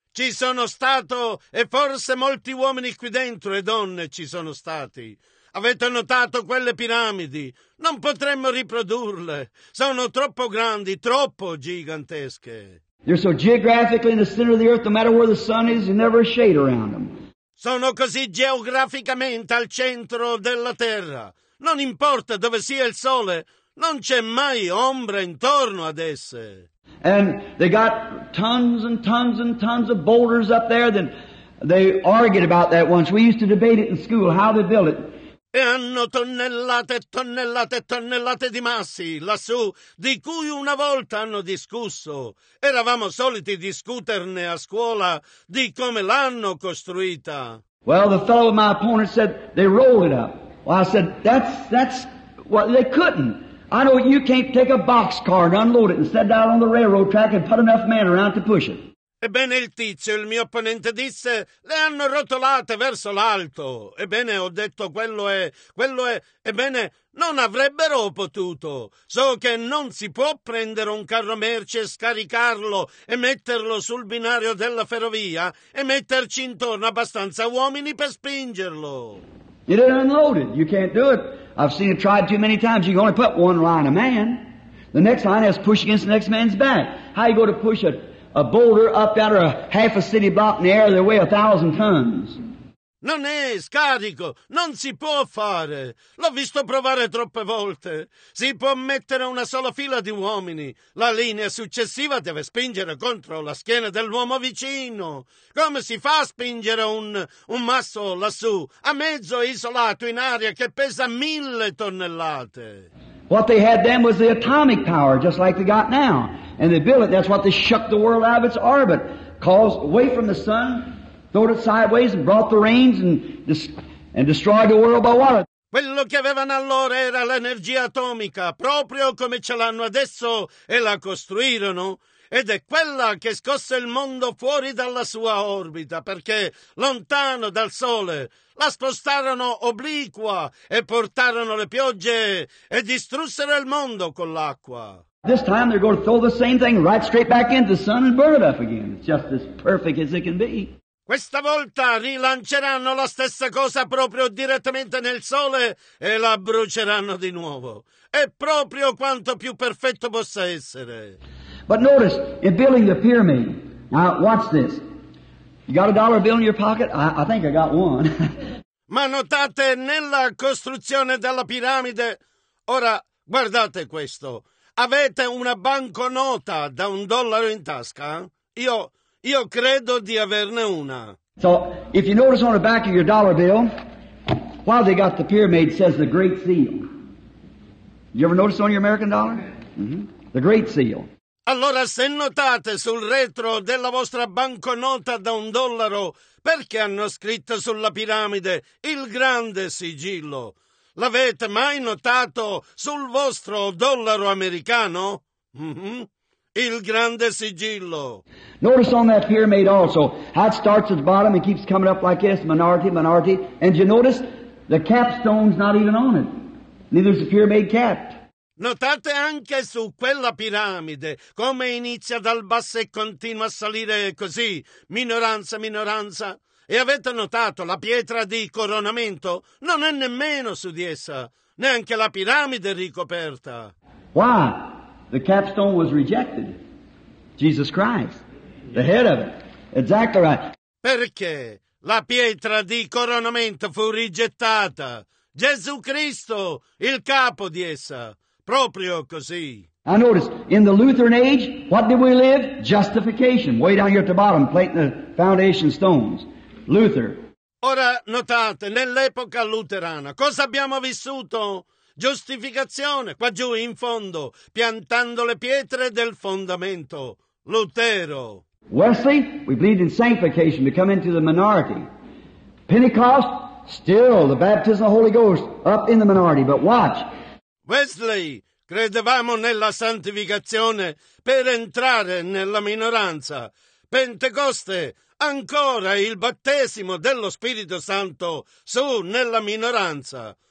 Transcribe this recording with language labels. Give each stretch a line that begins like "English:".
Italian: Ci sono stato, e forse molti uomini qui dentro e donne ci sono stati. Avete notato quelle piramidi? Non potremmo riprodurle. Sono troppo grandi, troppo gigantesche.
English: They're so geographically in the center of the earth, no matter where the sun is, there's never a shade around them.
Italian: Sono così geograficamente al centro della terra. Non importa dove sia il sole, non c'è mai ombra intorno ad esse.
English: And they got tons and tons and tons of boulders up there. Then they argued about that once. We used to debate it in school, how they built it.
Italian: E hanno tonnellate, tonnellate, tonnellate di massi lassù, di cui una volta hanno discusso. Eravamo soliti discuterne a scuola di come l'hanno costruita.
English: Well, the fellow of my opponent said they rolled it up. Well, I said, that's what they couldn't. I know you can't take a boxcar and unload it and set it out on the railroad track and put enough men around to push it.
Italian: Ebbene, il tizio, il mio opponente, disse, le hanno rotolate verso l'alto. Ebbene, ho detto, quello è, ebbene, non avrebbero potuto. So che non si può prendere un carro merci e scaricarlo e metterlo sul binario della ferrovia e metterci intorno abbastanza uomini per spingerlo.
English: It ain't unloaded. You can't do it. I've seen it tried too many times. You can only put one line of man. The next line has to push against the next man's back. How you go to push a boulder up out of a half a city block in the air that weigh 1,000 tons?
Italian: Non è scarico. Non si può fare. L'ho visto provare troppe volte. Si può mettere una sola fila di uomini. La linea successiva deve spingere contro la schiena dell'uomo vicino. Come si fa a spingere un masso lassù, a mezzo isolato in aria che pesa 1,000 tonnellate?
English: What they had then was the atomic power, just like they got now. And they built it. That's what they shook the world out of its orbit. Caused away from the sun, throwed it sideways and brought the rains and destroyed the world by water.
Italian: Quello che avevano allora era l'energia atomica, proprio come ce l'hanno adesso, e la costruirono. Ed è quella che scosse il mondo fuori dalla sua orbita, perché lontano dal sole la spostarono obliqua e portarono le piogge e distrussero il mondo con l'acqua.
English: This time they're going to throw the same thing right straight back into the sun and burn it up again. It's just as perfect as it can be.
Italian: Questa volta rilanceranno la stessa cosa proprio direttamente nel sole e la bruceranno di nuovo. È proprio quanto più perfetto possa essere.
English: But notice, in building the pyramid, now watch this. You got a dollar bill in your pocket? I think I got one.
Italian: Ma notate, nella costruzione della piramide, ora guardate questo. Avete una banconota da un dollaro in tasca? Io... Io credo di averne una.
English: So, if you notice on the back of your dollar bill, while they got the pyramid, it says the great seal. You ever notice on your American dollar? The great seal.
Italian: Allora, se notate sul retro della vostra banconota da un dollaro, perché hanno scritto sulla piramide il grande sigillo? L'avete mai notato sul vostro dollaro americano? Il grande sigillo.
English: Notice on that pyramid also how it starts at the bottom and keeps coming up like this, minority, minority. And you notice the capstone's not even on it. Neither's the pyramid cap.
Italian: Notate anche su quella piramide come inizia dal basso e continua a salire così, minoranza, minoranza. E avete notato la pietra di coronamento? Non è nemmeno su di essa, neanche la piramide è ricoperta.
English: Why? The capstone was rejected. Jesus Christ, the head of it. Exactly right.
Italian: Perché la pietra di coronamento fu rigettata? Gesù Cristo, il capo di essa. Proprio così.
English: I notice, in the Lutheran age, what did we live? Justification, way down here at the bottom, plate the foundation stones. Luther.
Italian: Ora notate, nell'epoca luterana, cosa abbiamo vissuto? Giustificazione, qua giù in fondo, piantando le pietre del fondamento. Lutero.
English: Wesley, we believed in sanctification, to come into the minority. Pentecost, still the baptism of the Holy Ghost, up in the minority, but watch.
Italian: Wesley, credevamo nella santificazione per entrare nella minoranza. Pentecoste, ancora il battesimo dello Spirito Santo su nella minoranza.